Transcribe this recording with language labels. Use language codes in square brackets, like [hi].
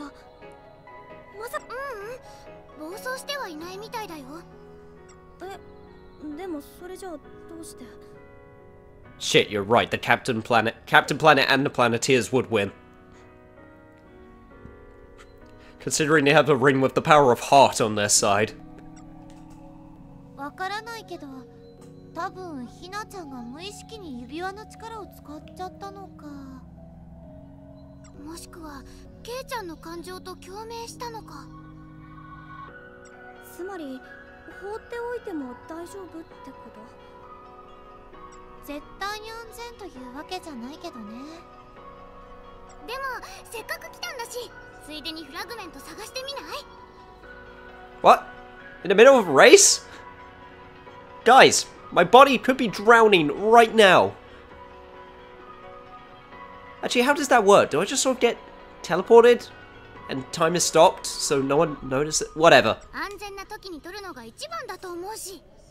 [ja] まさ、暴走してはいないみたいだよ。でもそれじゃあどうして? [en] Shit, you're right. The Captain Planet and the Planeteers would win. Considering they have a ring with the power of heart on their side. [ja] わからないけど、多分ひなちゃんが無意識に指輪の力を使っちゃったのか。もしくはケイちゃんの感情と共鳴したのか。つまり。放っておいても大丈夫ってこと? 絶対に安全というわけじゃないけどね。でも、せっかく来たんだし、ついでにフラグメント探してみない? [en] What? In the middle of a race? Guys, my body could be drowning right now. Actually, how does that work? Do I just sort of get teleported? And time has stopped, so no one noticed it. Whatever. [ja] 安全な時に撮るのが一番だと思うし。